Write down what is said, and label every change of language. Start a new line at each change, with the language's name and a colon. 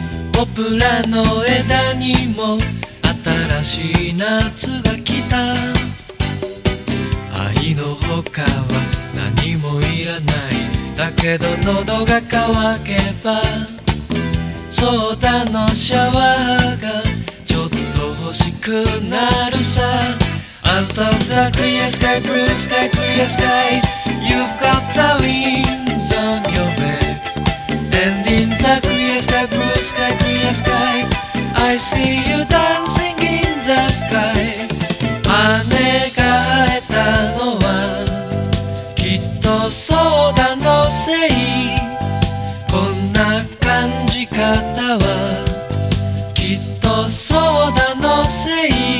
Japanese: ポプラの枝にも新しい夏が来た。愛の他は何もいらない。だけど喉が渇けば、ソーダのシャワーがちょっと欲しくなるさ。
English: Out of the clear sky, blue sky, clear sky, you've got the wings on your back. And in the clear sky, blue sky, clear sky, I see you dancing in the sky.
Japanese: 姉が会えたのはきっとソーダのせい。こんな感じ方はきっとソーダのせい。